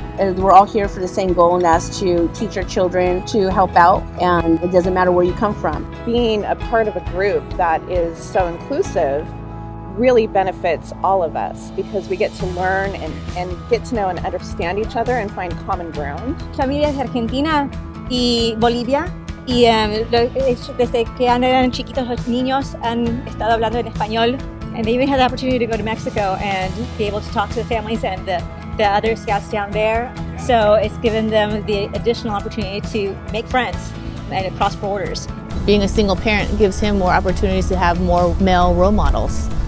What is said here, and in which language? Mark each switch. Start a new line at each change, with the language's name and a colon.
English: We're all here for the same goal, and that's to teach our children to help out, and it doesn't matter where you come from. Being a part of a group that is so inclusive really benefits all of us, because we get to learn and get to know and understand each other and find common ground.
Spanish: Familia es Argentina y Bolivia, y desde que eran chiquitos los niños han estado hablando en español.
English: And they even had the opportunity to go to Mexico and be able to talk to the families and the other scouts down there. So it's given them the additional opportunity to make friends and cross borders. Being a single parent gives him more opportunities to have more male role models.